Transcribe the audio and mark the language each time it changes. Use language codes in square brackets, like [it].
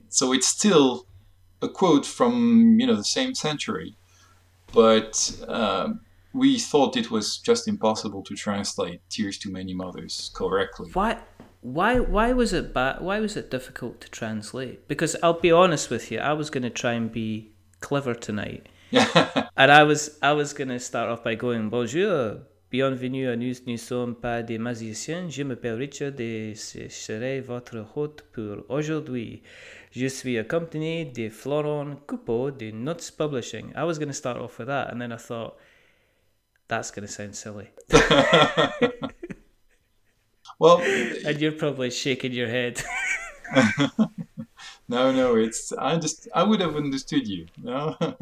[en] So it's still a quote from, you know, the same century, but we thought it was just impossible to translate Tears to Many Mothers correctly. Why was it difficult to translate? Because I'll be honest with you, I was going to try and be clever tonight. And I was going to start off by going, [fr] "Bonjour, bienvenue à nous, nous sommes pas des musiciens, je m'appelle Richard et je serai votre hôte pour aujourd'hui. Je suis accompagné de Florent Coupeau de Nuts Publishing." [en] I was going to start off with that, and then I thought, that's going to sound silly. Well, and you're probably shaking your head. No, I would have understood you. No?